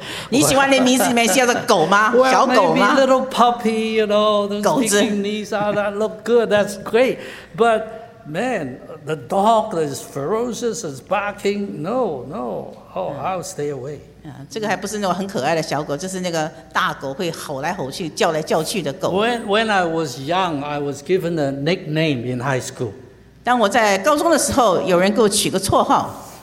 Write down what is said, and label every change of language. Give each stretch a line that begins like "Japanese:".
Chinese: 你喜欢你名字里面叫的狗吗？
English: Well,
Chinese: 小狗吗
English: ？Maybe little puppy, you know, those Pekingese that look good, that's great. But man, the dog is ferocious, is barking. No, no. Oh, I'll stay away.
Chinese: 这个还不是那种很可爱的小狗，这是那个大狗会吼来吼去、叫来叫去的狗。
English: When I was young, I was given a nickname in high school.
Chinese: 当我在高中的时候，有人给我取个绰号。